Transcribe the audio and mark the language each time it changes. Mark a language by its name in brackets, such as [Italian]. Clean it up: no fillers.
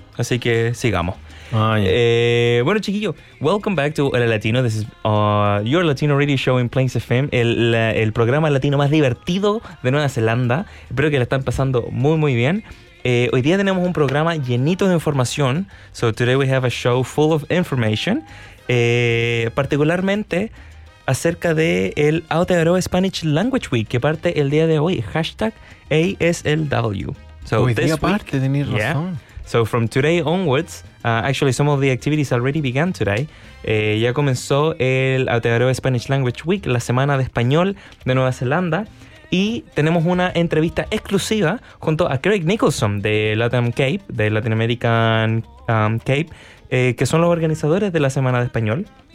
[Spanish] Así que sigamos. Bueno, chiquillo, [English] welcome back to El Latino. This is your Latino radio show in Plains FM, [Spanish] el programa latino más divertido de Nueva Zelanda. Espero que la están pasando muy, muy bien. Hoy día tenemos un programa llenito de información. [English] So today we have a show full of information. [Spanish] Particularmente... acerca de el Aotearoa Spanish Language Week, que parte el día de hoy. [English] Hashtag ASLW. [Spanish] So hoy día parte, tenés razón. [English] Yeah. So from today onwards, actually some of the activities already began today. [Spanish] Ya comenzó el Aotearoa Spanish Language Week, la Semana de Español de Nueva Zelanda. Y tenemos una entrevista exclusiva junto a Craig Nicholson de Latin Cape, de Latin American Cape, que son los organizadores de la Semana de Español.